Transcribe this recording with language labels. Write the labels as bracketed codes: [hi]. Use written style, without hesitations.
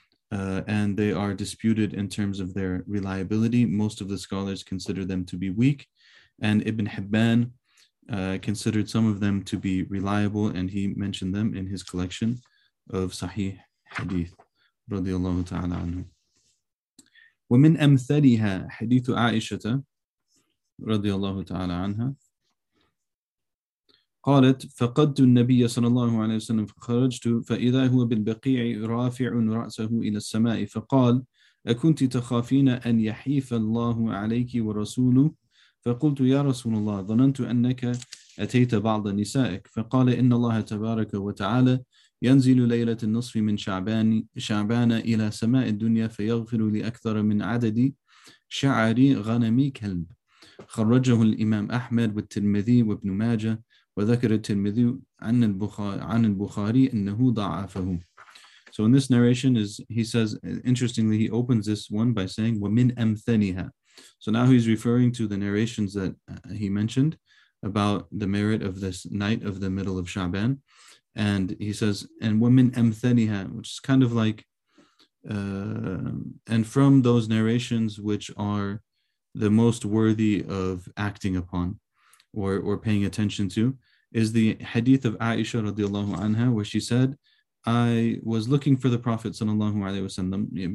[en] And they are disputed in terms of their reliability. Most of the scholars consider them to be weak. And Ibn Hibban considered some of them to be reliable, and he mentioned them in his collection of Sahih Hadith. Radiallahu ta'ala anhu. [ar] ومن أمثلها حديث عائشة رضي الله تعالى عنها قالت فقدت النبي صلى الله عليه وسلم فخرجت فإذا هو بالبقيع رافع رأسه إلى السماء فقال أكنت تخافين أن يحيف الله عليك ورسوله فقلت يا رسول الله ظننت أنك أتيت بعض نسائك فقال إن الله تبارك وتعالى ينزل ليلة النصف من شعبان إلى سماء الدنيا فيغفر لأكثر من عدد شعر غنمي كلب خرجه الإمام أحمد والترمذي وابن ماجة وذكر الترمذي عن البخاري أنه ضعفه. [en] So in this narration, is he says, interestingly, he opens this one by saying [ar] ومن أمثنها. [en] So now he's referring to the narrations that he mentioned about the merit of this night of the middle of Sha'ban. And he says, and women amthaniha, which is kind of like, and from those narrations which are the most worthy of acting upon or paying attention to, is the hadith of Aisha radiallahu anha, where she said, I was looking for the Prophet sallallahu alayhi wasallam.